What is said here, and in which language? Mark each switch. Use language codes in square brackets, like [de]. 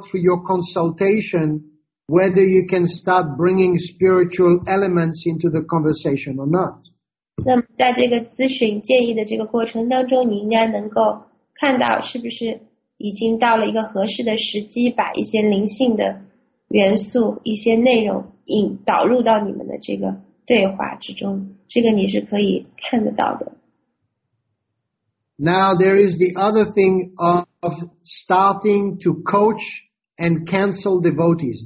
[en] through your consultation whether you can start bringing spiritual elements into the conversation or not. [zh] 那么在这个咨询建议的这个过程当中，你应该能够看到是不是已经到了一个合适的时机，把一些灵性的。元素一些内容引导入到你们的这个对话之中，这个你是可以看得到的。 [en] Now there is the other thing of starting to coach and counsel devotees.